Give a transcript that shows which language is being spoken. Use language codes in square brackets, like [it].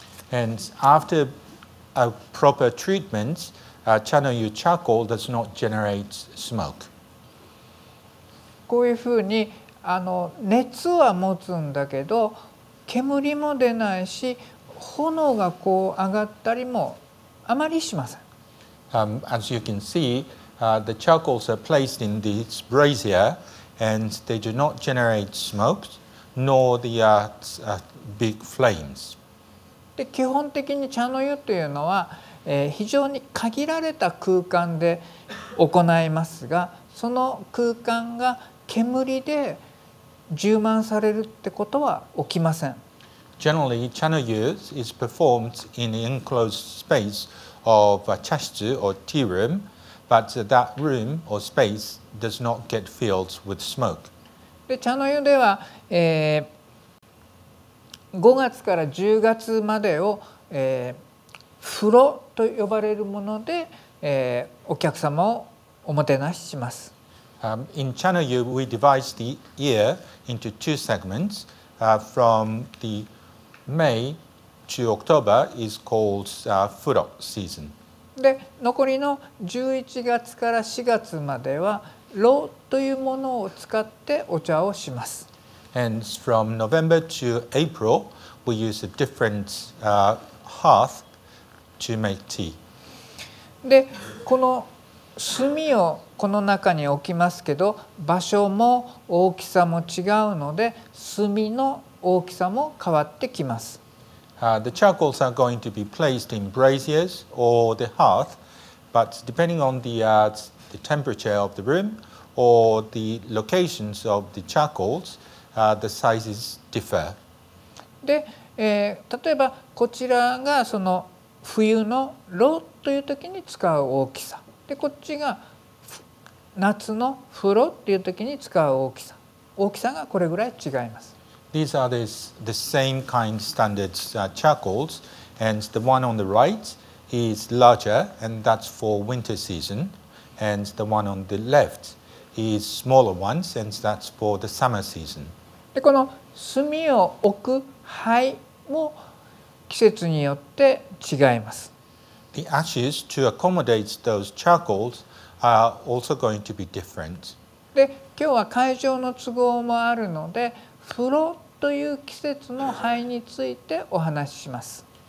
[en] And after a proper treatment, Chado Yu charcoal does not generate smoke. [ja] こういうふうに熱は持つんだけど煙も出ないし炎がこう上がったりもあまりしません。 [en] As you can see, the charcoals are placed in this brazier and they do not generate smoke nor the big flames. [ja] で基本的に茶の湯というのは、非常に限られた空間で行いますがその空間が煙で充満されるってことは起きません。 [en] Generally, 茶の湯 is performed in the enclosed space of a 茶室 or tea room, but that room or space does not get filled with smoke. [ja] で茶の湯では、5月から10月までを、風呂と呼ばれるもので、お客様をおもてなしします。 [en] In Chado Yu, we divide the year into two segments. From the May to October is called furo season. [ja] で、残りの11月から4月までは、炉というものを使ってお茶をします。 [en] And from November to April, we use a different hearth to make tea. [ja] で、この炭をこの中に置きますけど、場所も大きさも違うので、炭の大きさも変わってきます。 [en] The charcoals are going to be placed in braziers or the hearth, but depending on the temperature of the room or the locations of the charcoals,the sizes differ. [ja] で、例えばこちらがその冬の炉という時に使う大きさ。で、こっちが夏の風呂という時に使う大きさ。大きさがこれぐらい違います。 [en] These are the same kind standard charcoals, and the one on the right is larger, and that's for winter season, and the one on the left is smaller ones, and that's for the summer season. [ja] でこの炭を置く灰も季節によって違います。 [en] The ashes to accommodate those charcoals are also going to be different. [ja] で今日は会場の都合もあるので、風呂という季節の灰についてお話しします。